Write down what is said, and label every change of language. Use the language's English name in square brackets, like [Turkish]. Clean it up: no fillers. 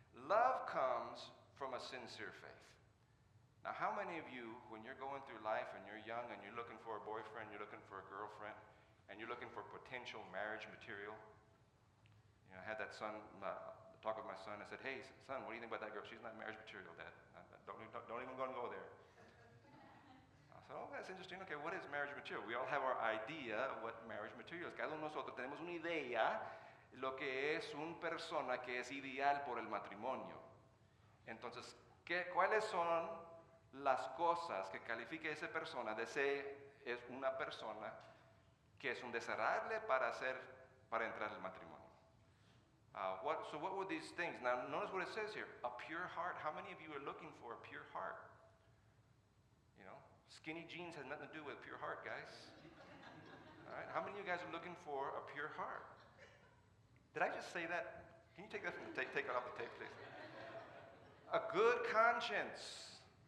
[English] Love comes from a sincere faith. Now, how many of you, when you're going through life and you're young and you're looking for a boyfriend, you're looking for a girlfriend, and you're looking for potential marriage material? You know, I had that son, talk with my son. I said, "Hey, son, what do you think about that girl? She's not marriage material, Dad. Don't even go and go there." So, oh, that's interesting. Okay, what is marriage material? We all have our idea of what marriage material is. [Spanish] Cada uno de nosotros tenemos una idea de lo que es una persona que es ideal por el matrimonio. Entonces, ¿cuáles son las cosas que califica esa persona de ser es una persona que es un desearable para entrar al matrimonio? [English] What were these things? Now, notice what it says here. A pure heart. How many of you are looking for a pure heart? You know? Skinny jeans has nothing to do with pure heart, guys. All right, how many of you guys are looking for a pure heart? Did I just say that? Can you take that from the tape? Take it off the tape, please. A good conscience.